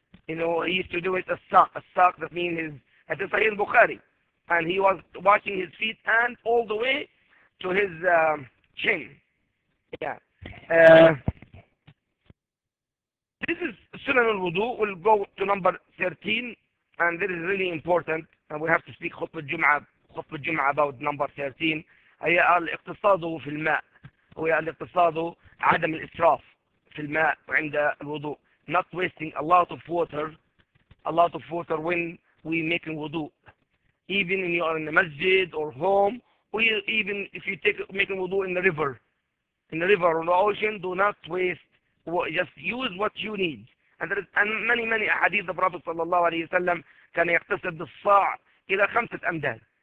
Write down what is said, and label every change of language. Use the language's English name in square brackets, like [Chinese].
[English] You know, he used to do it as sock. As sock, that means his. At the Sahih Bukhari, and he was washing his feet and all the way to his chin. Yeah. This is Sunan al Wudu. We'll go to number 13, and this is really important. And we have to speak khutbah Jum'ah about number 13. [Arabic] هي الاقتصاد في الماء. هو الاقتصاد عدم الإسراف في الماء عند الوضوء. [English] Not wasting a lot of water when we making wudu, even if you are in the masjid or home, or even if you making wudu in the river or the ocean, do not waste. Just use what you need. And many hadith, the Prophet [Arabic] صلى الله عليه وسلم كان يقتصد الصاع إلى خمسة أمداد.